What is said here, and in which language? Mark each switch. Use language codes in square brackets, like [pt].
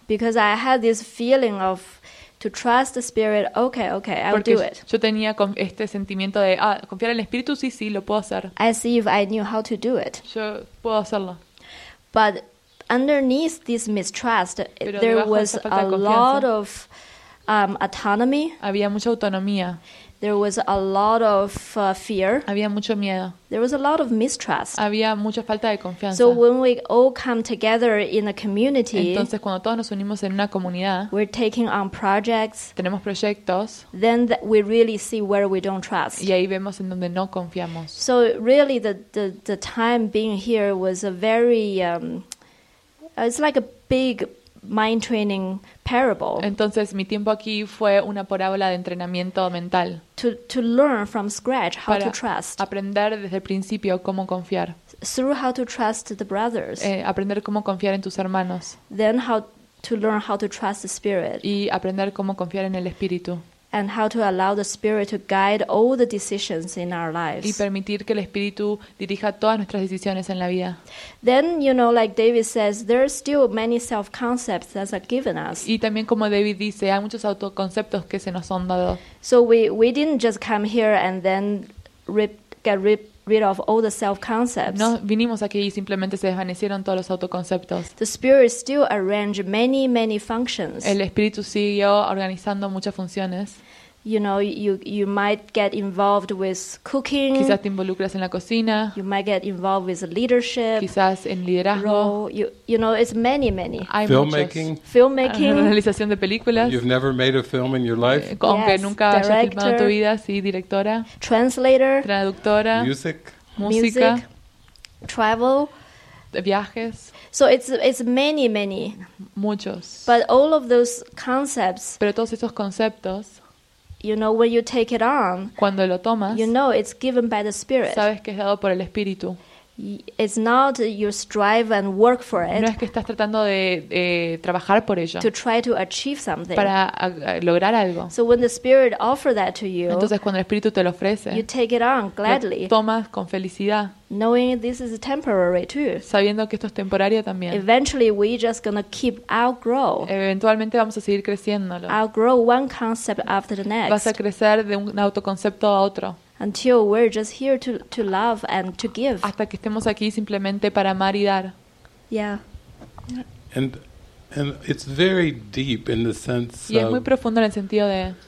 [en] Because I had this feeling of to trust the spirit. Okay, I'll do it. [es] Yo tenía este sentimiento de confiar en el espíritu, sí, lo puedo hacer. [en] As if I knew how to do it. [es] Yo puedo hacerlo. [en] But underneath this mistrust, [es] pero [en] there was a lot of autonomy. [es] Había mucha autonomía. [en] There was a lot of fear. [es] Había mucho miedo. [en] There was a lot of mistrust. [es] Había mucha falta de confianza. [en] So when we all come together in a community, [es] entonces cuando todos nos unimos en una comunidad, [en] we're taking on projects. [es] Tenemos proyectos. [en] Then we really see where we don't trust. [es] Y ahí vemos en donde no confiamos. [en] So really, the time being here was a very, it's like a big mind training parable. [es] Entonces mi tiempo aquí fue una parábola de entrenamiento mental. [en] To learn from scratch how to trust. [es] Aprender desde el principio cómo confiar. [en] Through how to trust the brothers. [es] Aprender cómo confiar en tus hermanos. [en] Then how to learn how to trust the spirit. [es] Y aprender cómo confiar en el espíritu. [en] And how to allow the spirit to guide all the decisions in our lives. [es] Y permitir que el espíritu dirija todas nuestras decisiones en la vida. [en] Then, you know, like David says, there are still many self-concepts that are given us. [es] Y también como David dice, hay muchos autoconceptos que se nos han dado. [en] So we didn't just come here and then get rid of all the self-concepts. [es] No, vinimos aquí y simplemente se desvanecieron todos los autoconceptos. [en] The spirit still arranged many, many functions. [es] El espíritu siguió organizando muchas funciones. [en] You know, you might get involved with cooking. [es] Quizás te involucras en la cocina. [en] You might get involved with leadership. [es] Quizás en liderazgo. [en] You know, it's many, many. Filmmaking. [es] Realización de películas. [en] You've never made a film in your life. [es] Aunque yes, nunca director, hayas filmado tu vida, sí, directora. [en] Translator. [es] Traductora. [en] Music. [es] Música. [en] Music, travel. [es] De viajes. [en] So it's many, many. [es] Muchos. [en] But all of those concepts. [es] Pero todos esos conceptos. [en] You know, when you take it on, [es] cuando lo tomas, [en] you know it's given by the spirit. [es] Sabes que es dado por el espíritu. [en] It's not you strive and work for it. [es] No es que estás tratando de trabajar por ello. [en] To try to achieve something. [es] Para lograr algo. [en] So when the Spirit offers that to you, [es] entonces cuando el Espíritu te lo ofrece, [en] you take it on gladly. [es] Lo tomas con felicidad. [en] Knowing this is temporary too. [es] Sabiendo que esto es temporario también. [en] Eventually we just gonna keep outgrow. [es] Eventualmente vamos a seguir creciéndolo. [en] Outgrow one concept after the next. [es] Vas a crecer de un autoconcepto a otro. [en] Until we're just here to love and to give. [es] Hasta que estemos aquí simplemente para amar y dar. [en] Yeah. And it's very deep in the sense. [es] Y es muy profundo en el sentido de.